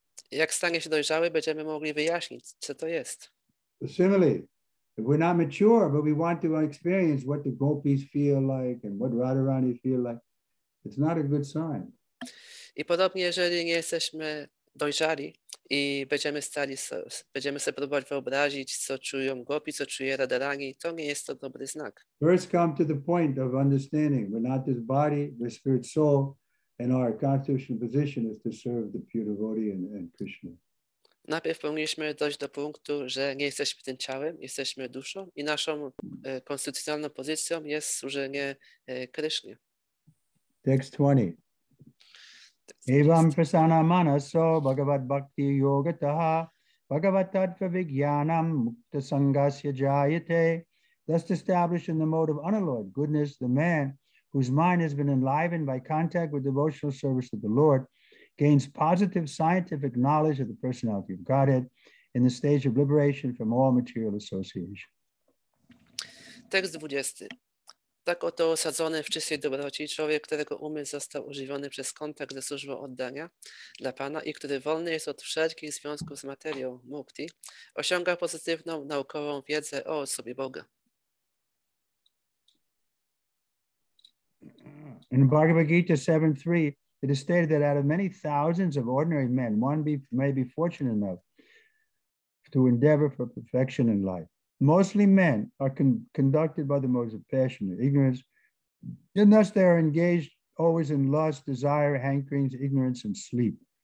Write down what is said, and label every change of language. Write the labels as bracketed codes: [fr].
[pl] Jak stanie się dojrzały, będziemy mogli wyjaśnić, co to jest. [en] Similarly, if we're not mature, but we want to experience what the gopis feel like and what Radharani feel like, it's not a good sign. [pl] I podobnie, jeżeli nie jesteśmy dojrzali i będziemy sobie próbować wyobrazić, co czują gopi, co czuje Radharani, to nie jest to dobry znak. [en] First come to the point of understanding. We're not this body, we're spirit soul. And our constitutional position is to serve the pure devotee and Krishna. [pl] Najpierw powinniśmy dojść do punktu, że nie jesteśmy tym ciałem, jesteśmy duszą i naszą konstytucjonalną pozycją jest służenie Krishnie. [en] Text 20. [sa] Evam prasana manaso bhagavad bhakti yogataha bhagavat tattva vijnanam mukta sangasya jayate, [en] thus establishing the mode of unalloyed goodness, the man whose mind has been enlivened by contact with devotional service to the Lord, gains positive scientific knowledge of the personality of Godhead in the stage of liberation from all material association. [pl] Tekst 20. Tak oto osadzony w czystej dobroci człowiek, którego umysł został ożywiony przez kontakt ze służbą oddania dla Pana i który wolny jest od wszelkich związków z materią mukti, osiąga pozytywną naukową wiedzę o osobie Boga. [en] In Bhagavad Gita 7.3 it is stated that out of many thousands of ordinary men, one may be fortunate enough to endeavor for perfection in life. Mostly men are conducted by the motives of passion or ignorance, and thus they are engaged always in lust, desire, hankerings, ignorance, and sleep.